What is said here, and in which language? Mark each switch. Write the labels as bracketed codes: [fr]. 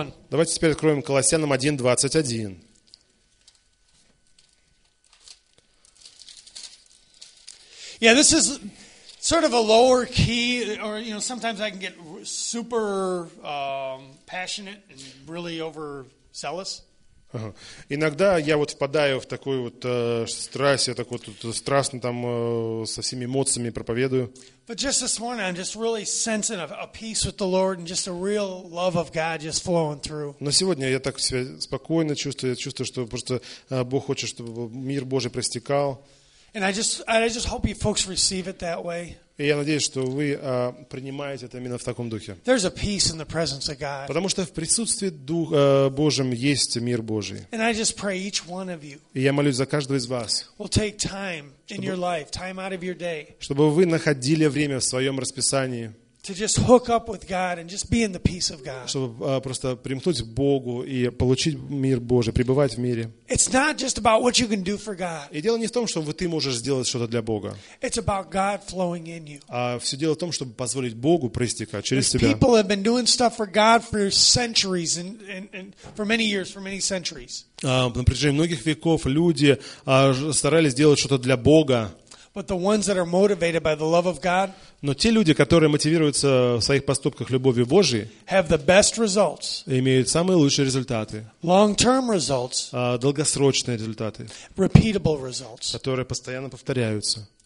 [ru] Давайте теперь откроем Колоссянам 1:21. [en] Yeah, this is sort of a lower key, or you know, sometimes I can get super passionate and really overzealous. [ru] Иногда я вот впадаю в такую вот страсть, я так вот страстно там со всеми эмоциями проповедую. [en] But just this morning, I'm just really sensing a peace with the Lord and just a real love of God just flowing through. [ru] Но сегодня я так себя спокойно чувствую, я чувствую, что просто Бог хочет, чтобы мир Божий простекал. [en] And I just hope you folks receive it that way. [ru] И я надеюсь, что вы принимаете это именно в таком духе. [en] There's a peace in the presence of God. [ru] Потому что в присутствии Дух Божьем есть мир Божий. [en] And I just pray each one of you. [ru] И я молюсь за каждого из вас. [en] Will take time in your life, time out of your day. [ru] Чтобы вы находили время в своем расписании. [en] To just hook up with God and just be in the peace of God. [ru] Чтобы просто примкнуть к Богу и получить мир Божий, пребывать в мире. [en] It's not just about what you can do for God. [ru] И дело не в том, что вы ты можешь сделать что-то для Бога. [en] It's about God flowing in you. [ru] А все дело в том, чтобы позволить Богу проистекать через себя. [en] People have been doing stuff for God for centuries and for many years, for many centuries. [ru] На протяжении многих веков люди старались делать что-то для Бога. [en] But the ones that are motivated by the love of God. [ru] Но те люди, которые мотивируются в своих поступках любовью Божией, [en] have the best results, [ru] имеют самые лучшие результаты, [en] long-term results, [ru] долгосрочные результаты, [en] repeatable results, [ru] которые постоянно повторяются.